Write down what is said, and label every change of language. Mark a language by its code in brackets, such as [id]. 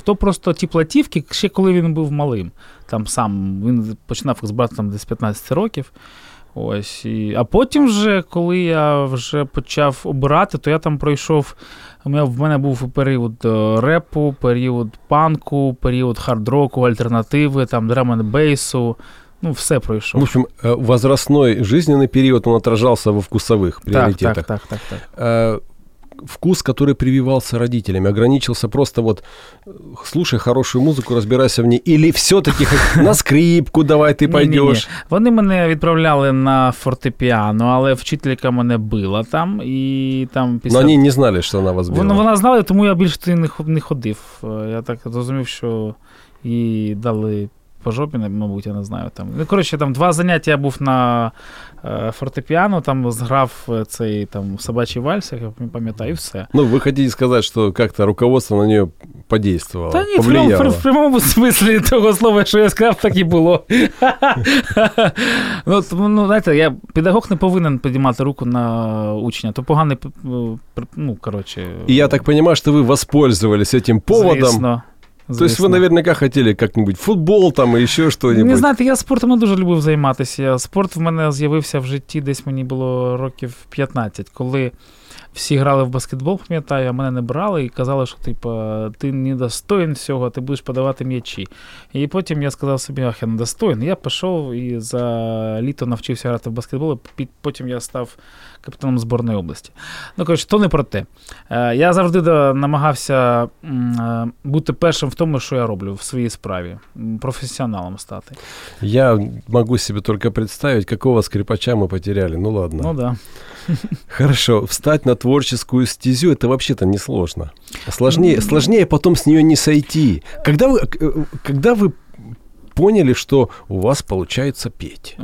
[uk] То просто ті платівки, ще коли він був малим. Там сам, він починав їх збирати там десь 15 років. Ось, і, а потім вже, коли я вже почав обирати, то я там пройшов, в мене був період репу, період панку, період хард-року, альтернативи, там драм-н-бейсу. Ну, все пройшов. [ru] В общем, возрастной жизненный период, он отражался во вкусовых приоритетах. Так, так, так, так, так. Вкус, который прививался родителями, ограничился просто вот, слушай хорошую музыку, разбирайся в ней, или все-таки на скрипку давай ты пойдешь. [uk] Ні. Вони мене відправляли на фортепіано, але вчителька мене била там. І там після... [ru] Но они не знали, что она вас била. [uk] Вона знала, тому я більше туди не ходив. Я так розумів, що їй дали... по жопі, мабуть, я не знаю. Там. Ну, коротше, там два заняття я був на фортепіано, там зграв цей там собачий вальс, як я пам'ятаю, і все. Ну, ви хотіли сказати, що як-то [ru] руководство [uk] на нього [ru] подействовало, повлияло? [uk] Та ні, в прямому смислі того слова, що я сказав, так і було. Ну, знаєте, я педагог не повинен підіймати руку на учня, то поганий, ну, коротше. І я так розумію, що ви використовувалися цим поводом. Звісно. [ru] То есть вы наверняка хотели как-нибудь футбол там и еще что-нибудь? [uk] Не знаю, я спортом не дуже любив займатися. Спорт в мене з'явився в житті, десь мені було років 15, коли всі грали в баскетбол, пам'ятаю, а мене не брали і казали, що типу, ти не достоїн цього, ти будеш подавати м'ячі. І потім я сказав собі, ах, я не достоїн. Я пішов і за літо навчився грати в баскетбол, і потім я став капітаном збірної області. Ну, коротше, то не про те. Я завжди намагався бути першим в тому, що я роблю в своїй справі, професіоналом стати. Я можу собі тільки представити, якого скрипача ми [ru] потеряли. Ну, ладно. Ну, да. Хорошо, встать на творческую стезю, это вообще-то несложно. Сложнее потом с нее не сойти. Когда вы поняли, что у вас получается петь?